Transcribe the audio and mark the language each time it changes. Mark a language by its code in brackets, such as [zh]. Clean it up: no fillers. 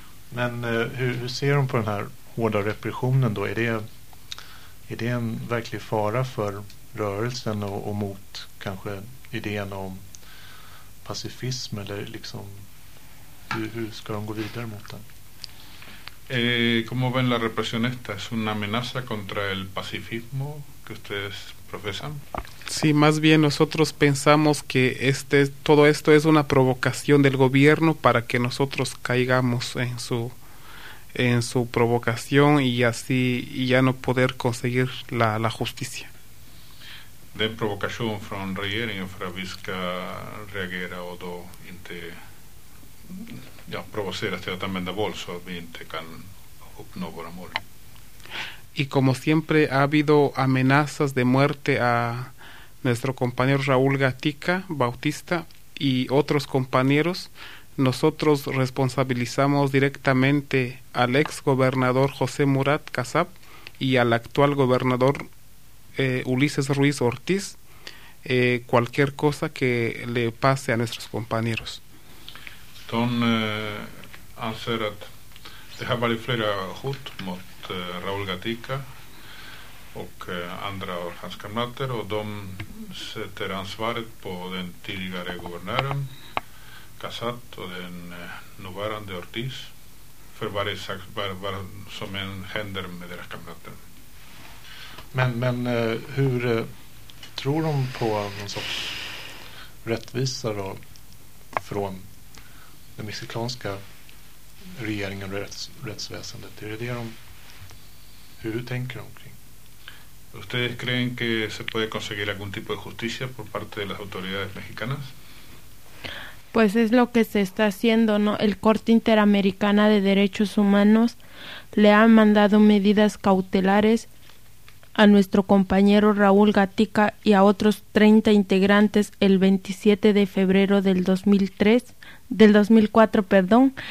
[sv] Men hur ser de på den här hårda repressionen då? Är det en verklig fara för rörelsen och mot kanske idén om pacifism, eller liksom hur ska de gå vidare mot den? [es] ¿Cómo ven la represión esta? ¿Es una amenaza contra el pacifismo que ustedes profesan? Sí, más bien nosotros pensamos que todo esto es una provocación del gobierno para que nosotros caigamos en su provocación y así ya no poder conseguir la justicia. [sv] Det är en provokation från regeringen för att vi ska reagera och då inte provoceras till att använda våld, så att vi inte kan uppnå våra mål. [es] Y como siempre ha habido amenazas de muerte a nuestro compañero Raúl Gatica Bautista y otros compañeros, nosotros responsabilizamos directamente al ex gobernador José Murat Casab y al actual gobernador Ulises Ruiz Ortiz, cualquier cosa que le pase a nuestros compañeros. [sv] Don anser att det har varit flera hot mot Raul Gatica och andra av hans kamrater, och de sätter ansvaret på den tidigare guvernören Casat och den nuvarande Ortiz för varje sak som än händer med deras kamrater. Men hur tror de på någon sorts rättvisa då från den mexikanska regeringen och rättsväsendet? Är det det de, hur tänker de kring? [es] ¿Ustedes creen que se puede conseguir algún tipo de justicia por parte de las autoridades mexicanas? Pues es lo que se está haciendo, ¿no? El Corte Interamericana de Derechos Humanos le ha mandado medidas cautelares a nuestro compañero Raúl Gatica y a otros 30 integrantes el 27 de febrero del 2004, perdón.